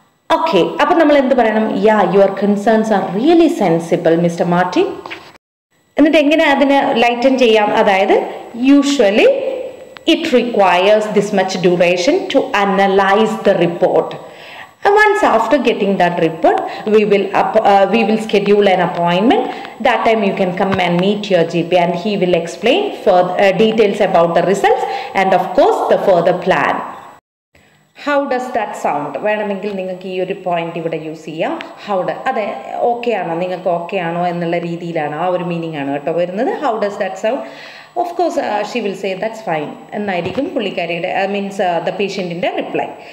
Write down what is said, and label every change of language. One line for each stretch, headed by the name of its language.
Malayalam: Okay, അപ്പം നമ്മൾ എന്ത് പറയണം?
English: Yeah your concerns are really sensible mister Martin.
Malayalam: എന്നിട്ട് എങ്ങനെ അതിനെ ലൈറ്റൻ ചെയ്യാം? അതായത്
English: Usually it requires this much duration to analyse the report. Once after getting that report, we will schedule an appointment. That time you can come and meet your GP and he will explain further details about the results and of course the further plan. How does that sound?
Malayalam: വേണമെങ്കിൽ നിങ്ങൾക്ക് ഈ ഒരു point ഇവിടെ use ചെയ്യാം. How ഡ, അതെ okay ആണോ, നിങ്ങൾക്ക് okay ആണോ എന്നുള്ള രീതിയിലാണ് ആ ഒരു മീനിങ് ആണ് കേട്ടോ വരുന്നത്.
English: How does that sound? Of course she will say that's fine
Malayalam: എന്നായിരിക്കും പുള്ളിക്കാരിയുടെ,
English: Means the പേഷ്യൻറ്റിൻ്റെ reply.